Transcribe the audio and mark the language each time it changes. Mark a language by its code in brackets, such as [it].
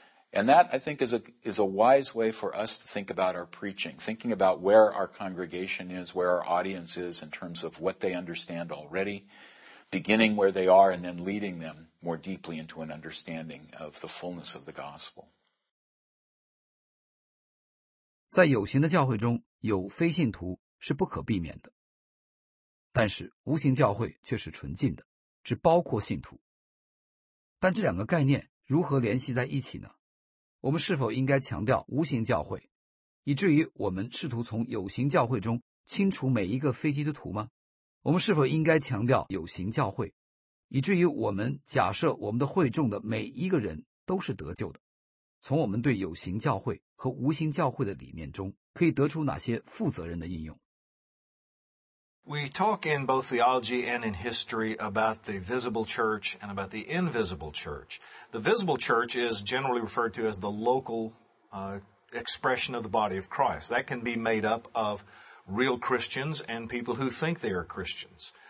[en] And that, I think, is a wise way for us to think about our preaching, thinking about where our congregation is, where our audience is in terms of what they understand already, beginning where they are and then leading them more deeply into an understanding of the fullness of the gospel. [zh] 在有形的教会中，有非信徒是不可避免的。但是无形教会却是纯净的，只包括信徒。但这两个概念如何联系在一起呢？我们是否应该强调无形教会，以至于我们试图从有形教会中清除每一个非基督徒吗？我们是否应该强调有形教会，以至于我们假设我们的会众的每一个人都是得救的？从我们对有形教会和无形教会的理念中，可以得出哪些负责任的应用？ [en] We talk in both theology and in history about the visible church and about the invisible church. The visible church is generally referred to as the local, expression of the body of Christ. That can be made up of real Christians and people who think they are Christians.